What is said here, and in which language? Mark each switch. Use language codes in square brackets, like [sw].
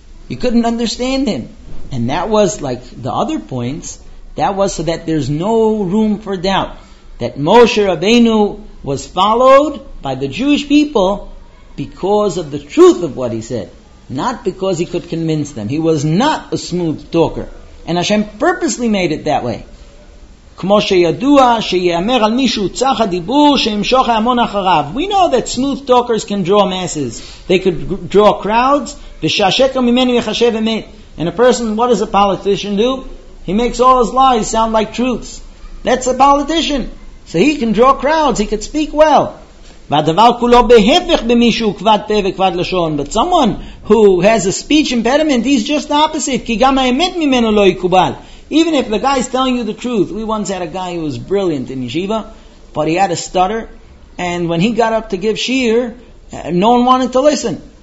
[en] You couldn't understand him. And that was, like the other points, that was so that there's no room for doubt that Moshe Rabbeinu was followed by the Jewish people because of the truth of what he said, not because he could convince them. He was not a smooth talker. And Hashem purposely made it that way. [he] כמו שידוע שיאמר על מישהו צח הדיבור שימשוך המון אחריו. [en] We know that smooth talkers can draw masses. They could draw crowds. [he] ושהשקר ממנו יחשב אמת. [en] And a person, what does a politician do? He makes all his lies sound like truths. That's a politician. So he can draw crowds. He could speak well. [he] והדבר כולו בהפך במישהו כבד פה וכבד לשון. [en] But someone who has a speech impediment, he's just the opposite. [he] כי גם האמת ממנו לא יקובל. [en] Even if the guy is telling you the truth, we once had a guy who was brilliant in yeshiva, but he had a stutter, and when he got up to give shiur, no one wanted to listen.